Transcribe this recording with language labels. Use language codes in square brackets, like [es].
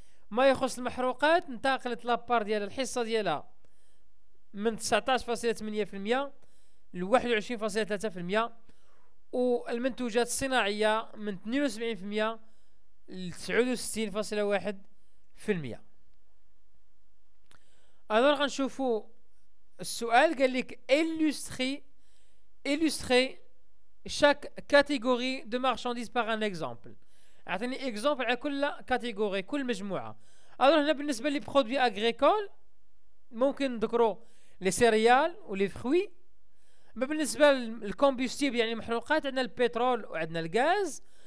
[ar] ما يخص المحروقات انتقلت لابار ديال الحصة ديالها من 19.8% ل 21.3%، والمنتوجات الصناعية من 72% ل 69.1%. الان غنشوفوا السؤال قال لك إلوستري [fr] illustrer chaque catégorie de marchandises par un exemple. Attendez, exemple à quelle catégorie, quelle majmoua. Alors, là, pour les produits agricoles, [ar] ممكن ذكروا [fr] les céréales ou les fruits. [ar] Mais بالنسبة للcombustible يعني المحروقات عندنا البترول وعندنا الغاز.